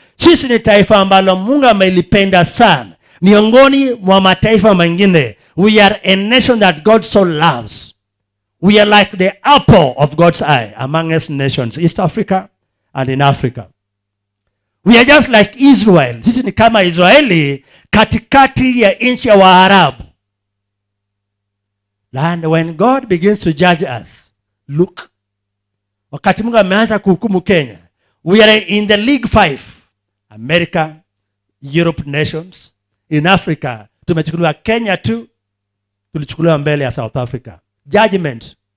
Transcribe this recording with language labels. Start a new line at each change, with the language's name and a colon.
Swahili: Sisi ni taifa ambalo Mungu amelipenda sana. Miongoni mwa mataifa mengine,
English: we are a nation that God so loves. We are like the apple of God's eye among us nations, East Africa and in Africa. We are just like Israel.
Swahili: Sisi ni kama Israeli katikati ya inchi ya Waarabu.
English: And when God begins to judge us, look.
Swahili: Wakati Mungu ameanza kuhukumu
English: Kenya, we are in the League 5. America, Europe nations, in Africa,
Swahili: tumechukuliwa
English: Kenya too,
Swahili: tulichukuliwa mbele ya
English: South Africa. Judgment.